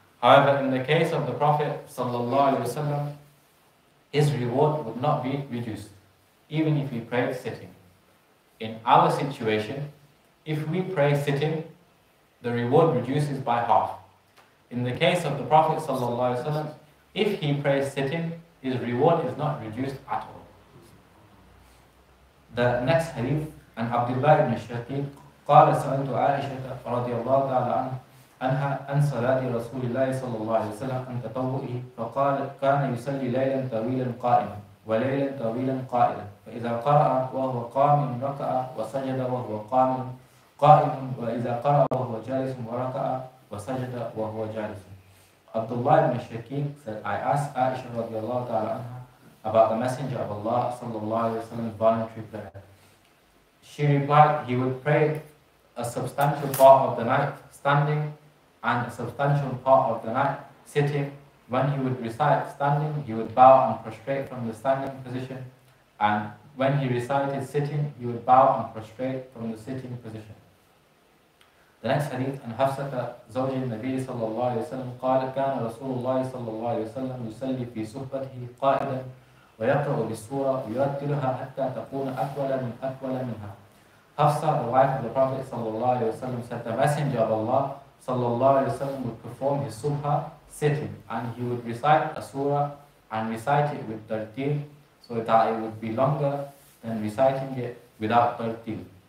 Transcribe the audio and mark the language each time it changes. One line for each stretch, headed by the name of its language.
English: However, in the case of the Prophet ﷺ, his reward would not be reduced, even if he prayed sitting. In our situation, if we pray sitting, the reward reduces by half. In the case of the Prophet ﷺ, if he prays sitting, his reward is not reduced at all. The next hadith, and Abdullah ibn Shaqiq,
Arabic: قال سألت عائشة رضي الله تعالى عنها عن صلاة رسول الله صلى الله عليه وسلم عن تطوئه فقال كان يصلي ليلا طويلا قائما وليلا طويلا قائلا فإذا قرأ وهو قام ركع وسجد وهو قام قائم وإذا قرأ وهو جالس وركع وسجد وهو جالس.
English: Abdullah ibn Shaqiq said, I asked Aisha
Arabic: رضي الله تعالى عنها
English: about the Messenger of Allah
Arabic: صلى الله عليه وسلم's
English: voluntary prayer. She replied, he would pray a substantial part of the night standing and a substantial part of the night sitting. When he would recite standing, he would bow and prostrate from the standing position. And when he recited sitting, he would bow and prostrate from the sitting position. The next hadith, and Hafsata Zawji Nabi sallallahu alayhi wa sallam,
Arabic: قال كان رسول الله صلى الله عليه وسلم يصلي في صحبته قائلا ويقرأ بالسورة ويرتلها حتى تكون أطول من أطول منها.
English: Hafsa, the wife of the Prophet ﷺ, said the Messenger of Allah ﷺ would perform his subha sitting and he would recite a surah and recite it with tartil so that it would be longer than reciting it without tartil.